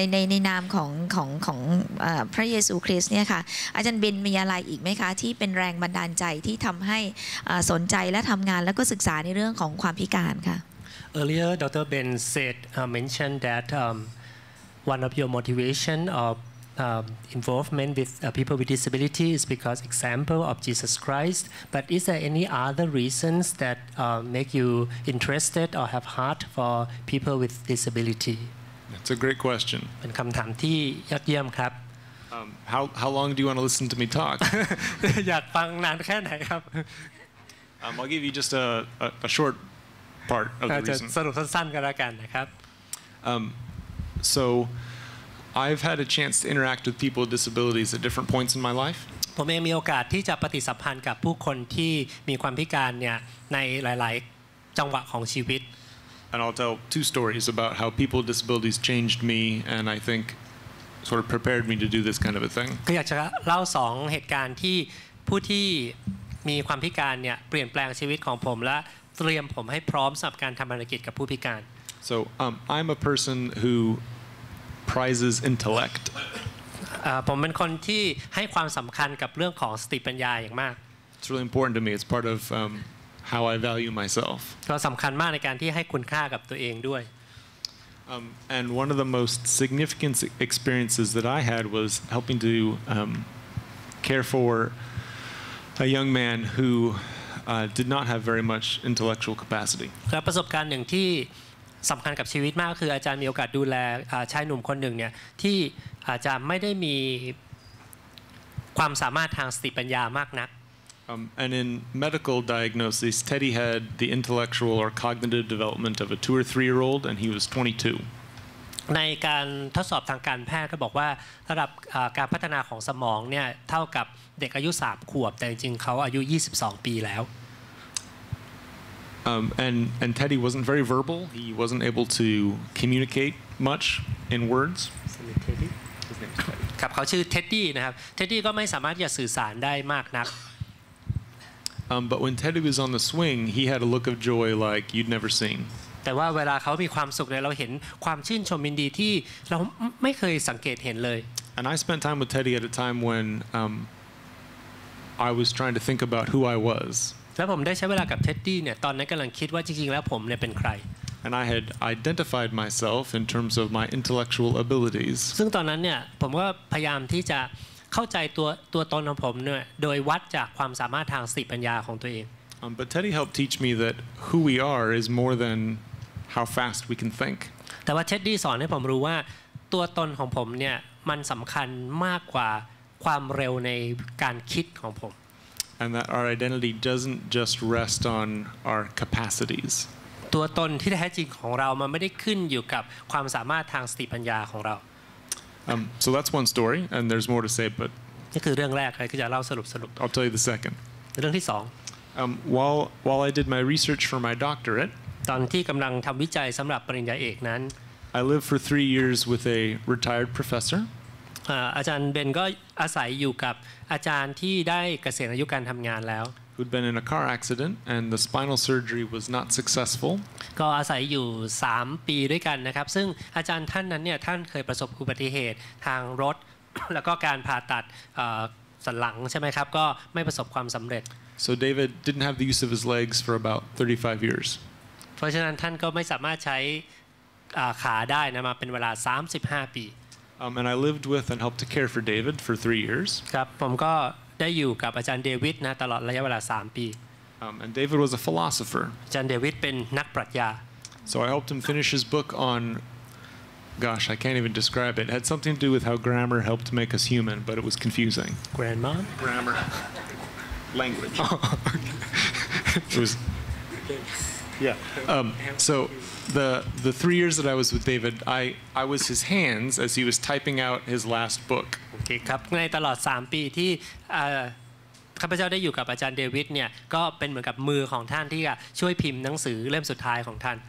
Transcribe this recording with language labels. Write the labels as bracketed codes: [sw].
[th] ในนามของพระเยซูคริสต์เนี่ยค่ะอาจารย์เบนมีอะไรอีกไหมคะที่เป็นแรงบันดาลใจที่ทำให้สนใจและทำงานแล้วก็ศึกษาในเรื่องของความพิการค่ะ [en] earlier Dr. Ben said mentioned that one of your motivation of involvement with people with disability is because example of Jesus Christ but is there any other reasons that make you interested or have heart for people with disability It's a great question. [th] เป็นคำถามที่ยอดเยี่ยมครับ [en] How long do you want to listen to me talk? [th] อยากฟังนานแค่ไหนครับ [en] I'll give you just a short part of the reason. [th] จะสรุปสั้นๆก็แล้วกันนะครับ [en] So I've had a chance to interact with people with disabilities at different points in my life. [th] ผมเองมีโอกาสที่จะปฏิสัมพันธ์กับผู้คนที่มีความพิการเนี่ยในหลายๆจังหวะของชีวิต [en] And I'll tell two stories about how people with disabilities changed me, and I think sort of prepared me to do this kind of a thing. [th] ก็อยากจะเล่าสองเหตุการณ์ที่ผู้ที่มีความพิการเนี่ยเปลี่ยนแปลงชีวิตของผมและเตรียมผมให้พร้อมสำหรับการทำธุรกิจกับผู้พิการ [en] So I'm a person who prizes intellect. [th] ผมเป็นคนที่ให้ความสำคัญกับเรื่องของสติปัญญาอย่างมาก [en] It's really important to me. It's part of how I value myself. [th] ก็สําคัญมากในการที่ให้คุณค่ากับตัวเองด้วย [en] and one of the most significant experiences that I had was helping to care for a young man who did not have very much intellectual capacity. [th] และประสบการณ์หนึ่งที่สําคัญกับชีวิตมากคืออาจารย์มีโอกาสดูแลชายหนุ่มคนหนึ่งเนี่ยที่อาจารย์ไม่ได้มีความสามารถทางสติปัญญามากนัก [en] And in medical diagnosis, Teddy had the intellectual or cognitive development of a 2 or 3 year old, and he was 22. [th] ในการทดสอบทางการแพทย์ก็บอกว่าระดับการพัฒนาของสมองเนี่ยเท่ากับเด็กอายุ3 ขวบแต่จริงเขาอายุ22 ปีแล้ว [en] And Teddy wasn't very verbal. He wasn't able to communicate much in words. [th] ครับเขาชื่อเท็ดดี้นะครับเท็ดดี้ก็ไม่สามารถจะสื่อสารได้มากนัก [en] But when Teddy was on the swing, he had a look of joy like you'd never seen. [th] แต่ว่าเวลาเขามีความสุขเนี่ยเราเห็นความชื่นชมยินดีที่เราไม่เคยสังเกตเห็นเลย [en] And I spent time with Teddy at a time when I was trying to think about who I was. [th] แล้วผมได้ใช้เวลากับเท็ดดี้เนี่ยตอนนั้นกำลังคิดว่าจริงๆแล้วผมเนี่ยเป็นใคร [en] And I had identified myself in terms of my intellectual abilities. [th] ซึ่งตอนนั้นเนี่ยผมก็พยายามที่จะเข้าใจตัวตนของผมเนี่ยโดยวัดจากความสามารถทางสติปัญญาของตัวเอง [en] But Teddy helped teach me that who we are is more than how fast we can think [th] แต่ว่าเท็ดดี้สอนให้ผมรู้ว่าตัวตนของผมเนี่ยมันสำคัญมากกว่าความเร็วในการคิดของผม [en] And that our identity doesn't just rest on our capacities [th] ตัวตนที่แท้จริงของเรามันไม่ได้ขึ้นอยู่กับความสามารถทางสติปัญญาของเรา [en] So that's one story, and there's more to say, but. [th] นี่คือเรื่องแรกใครก็จะเล่าสรุป [en] I'll tell you the second. [th] เรื่องที่สอง [en] While I did my research for my doctorate. [th] ตอนที่กำลังทำวิจัยสำหรับปริญญาเอกนั้น [en] I lived for 3 years with a retired professor. [th] อาจารย์เบนก็อาศัยอยู่กับอาจารย์ที่ได้เกษียณอายุการทำงานแล้ว [en] Who'd been in a car accident and the spinal surgery was not successful. [th] ก็อาศัยอยู่3ปีด้วยกันนะครับซึ่งอาจารย์ท่านนั้นเนี่ยท่านเคยประสบอุบัติเหตุทางรถแล้วก็การผ่าตัดสันหลังใช่ไหมครับก็ไม่ประสบความสำเร็จ [en] So David didn't have the use of his legs for about 35 years. [th] เพราะฉะนั้นท่านก็ไม่สามารถใช้ขาได้นะมาเป็นเวลา35ปี [en] And I lived with and helped to care for David for 3 years. [th] ครับผมก็ได้อยู่กับอาจารย์เดวิดนะตลอดระยะเวลา3ปี [en] And David was a philosopher. [th] อาจารย์เดวิดเป็นนักปรัชญา [en] So I helped him finish his book on, gosh, I can't even describe it. It had something to do with how grammar helped to make us human, but it was confusing. Grandma? Grammar. Language. It was. Yeah. So the 3 years that I was with David, I was his hands as he was typing out his last book. [th] Okay, ครับในตลอด3ปีที่ข้าพเจ้าได้อยู่กับอาจารย์เดวิดเนี่ยก็เป็นเหมือนกับมือของท่านที่จะช่วยพิมพ์หนังสือเล่มสุดท้ายของท่าน